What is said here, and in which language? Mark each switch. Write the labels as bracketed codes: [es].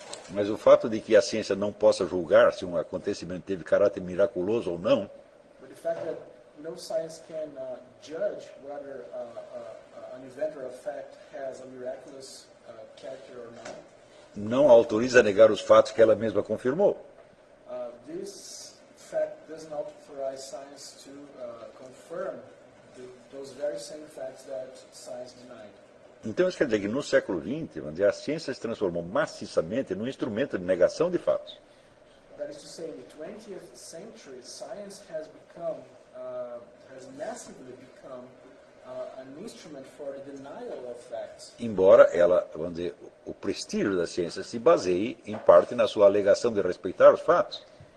[pt] Mas o fato de que a ciência não possa julgar se um acontecimento teve caráter miraculoso ou não. [en] The fact that no science can judge whether an event or a fact has a miraculous character or not. [pt] Não autoriza a negar os fatos que ela mesma confirmou. [en] This fact doesn't authorize science to confirm those very same facts that science denied. [pt] Então isso quer dizer que no século XX, onde a ciência se transformou maciçamente num instrumento de negação de fatos. [en] That is to say, in the 20th century, science has become, has massively become an instrument for the denial of facts. [pt] Embora ela, vamos dizer, o prestígio da ciência se baseie, em parte, na sua alegação de respeitar os fatos.